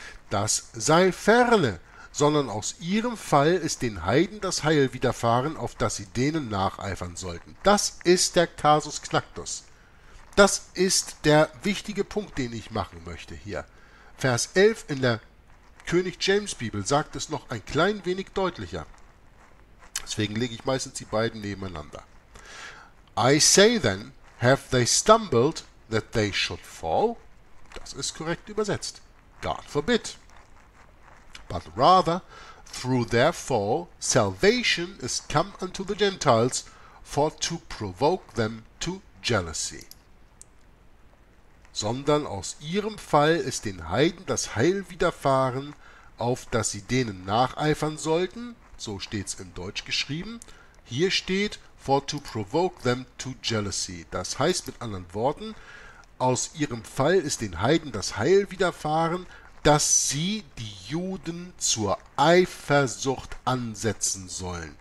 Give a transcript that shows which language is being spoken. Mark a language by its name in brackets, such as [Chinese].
[German] Das sei ferne, sondern aus ihrem Fall ist den Heiden das Heil widerfahren, auf das sie denen nacheifern sollten. Das ist der Casus Knactus. Das ist der wichtige Punkt, den ich machen möchte hier. Vers 11 in der König James Bibel sagt es noch ein klein wenig deutlicher. Deswegen lege ich meistens die beiden nebeneinander. [English] I say then, have they stumbled that they should fall? [German] Das ist korrekt übersetzt. [English] God forbid. But rather, through their fall, salvation is come unto the Gentiles for to provoke them to jealousy. [German] Sondern aus ihrem Fall ist den Heiden das Heil widerfahren, auf dass sie denen nacheifern sollten, so steht's im Deutsch geschrieben. Hier steht, [English] for to provoke them to jealousy. [German] Das heißt mit anderen Worten, aus ihrem Fall ist den Heiden das Heil widerfahren, dass sie die Juden zur Eifersucht ansetzen sollen.